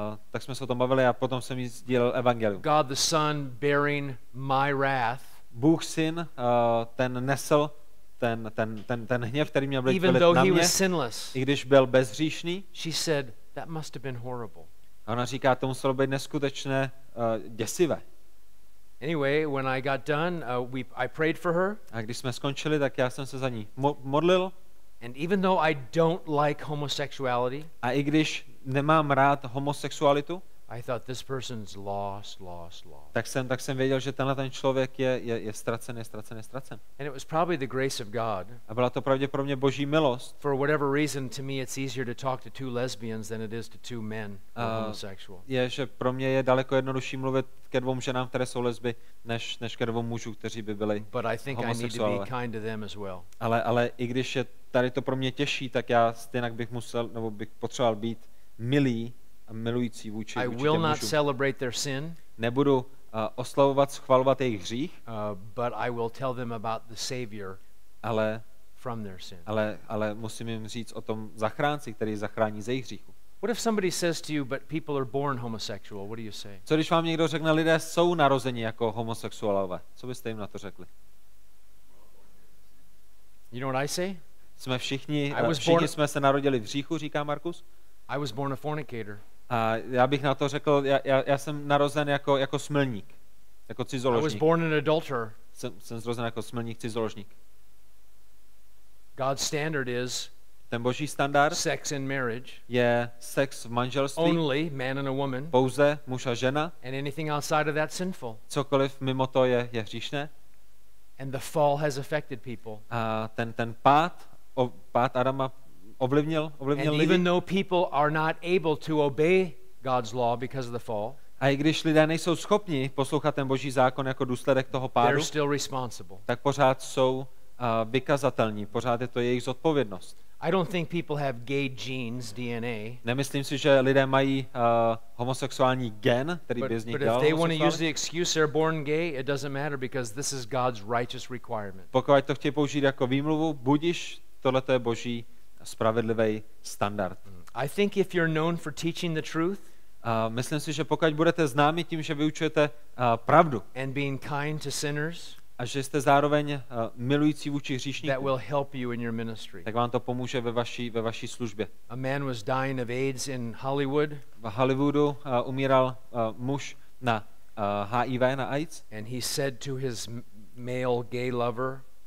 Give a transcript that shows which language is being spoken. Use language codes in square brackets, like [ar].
[cs] Tak jsme se o tom bavili a potom jsem jí sdílel evangelium. [en] God the Son bearing my wrath. [cs] Bůh Syn, ten nesl ten hněv, který měl být na mě. [en] Was sinless, [cs] i když byl bezhříšný. [en] She said that must have been horrible. [cs] A ona říká, to muselo být neskutečné děsivé. [en] Anyway, when I got done, I prayed for her. [cs] A když jsme skončili, tak já jsem se za ní modlil. [en] And even though I don't like homosexuality, [cs] a i když nemám rád homosexualitu, [en] I thought this person's lost. [cs] Tak jsem věděl, že tenhle ten člověk je ztracen. [en] And it was probably the grace of God. [cs] A byla to pravděpodobně Boží milost. [en] For whatever reason, to me it's easier to talk to two lesbians than it is to two men who are homosexual. [cs] Je, že pro mě je daleko jednodušší mluvit ke dvou ženám, které jsou lesby, než ke dvou mužům, kteří by byli homosexuálové. [en] But I think I need to be kind to them as well. [cs] Ale i když je tady to pro mě těžší, tak já stejně bych musel nebo bych potřeboval být milý. [en] I will not celebrate their sin. [cs] Nebudu oslavovat, schvalovat jejich hřích. [en] But I will tell them about the Savior. [cs] Ale [en] from their sin. [cs] Ale musím jim říct o tom zachránci, který zachrání ze jejich hříchu. [en] What if somebody says to you, but people are born homosexual? What do you say? [cs] Co když vám někdo řekne, lidé jsou narozeni jako homosexuálové? Co byste jim na to řekli? [en] You know what I say? [cs] Všichni jsme se narodili v hříchu, říká Markus. [en] I was born a fornicator. [cs] A já bych na to řekl, já jsem narozen jako smilník, jako cizoložník. [en] I was born an adulterer. [cs] Jsem narozen jako smilník, cizoložník. [en] God's standard is [cs] ten Boží standard [en] sex in marriage. [cs] Je sex v manželství. [en] Only man and a woman. [cs] Pouze muž a žena. [en] And anything outside of that sinful. [cs] Cokoliv mimo to je hříšné. [en] And the fall has affected people. [cs] A ten pád Adama ovlivnil [en] and [cs] lidi. [en] Even though people are not able to obey God's law because of the fall, [cs] a i když lidé nejsou schopni poslouchat ten Boží zákon jako důsledek toho pádu, [en] they're still responsible. [cs] Tak pořád jsou vykazatelní, pořád je to jejich zodpovědnost. [en] I don't think people have gay genes, DNA. [cs] Nemyslím si, že lidé mají homosexuální gen, který by z nich dělal. [en] But if they want to use the excuse they're born gay, it doesn't matter because this is God's righteous requirement. [cs] Pokud to chtějí použít jako výmluvu, budiš, tohle to je Boží spravedlivý standard. [en] I think if you're known for teaching the truth, [cs] myslím si, že pokud budete známi tím, že vyučujete pravdu, [en] and being kind to sinners, [cs] a že jste zároveň milující vůči hříšníkům, [en] that will help you in your ministry. [cs] Tak vám to pomůže ve vaší službě. [en] A man was dying of AIDS in Hollywood. [cs] V Hollywoodu umíral muž na HIV, na AIDS. [en] And he said to his male gay lover,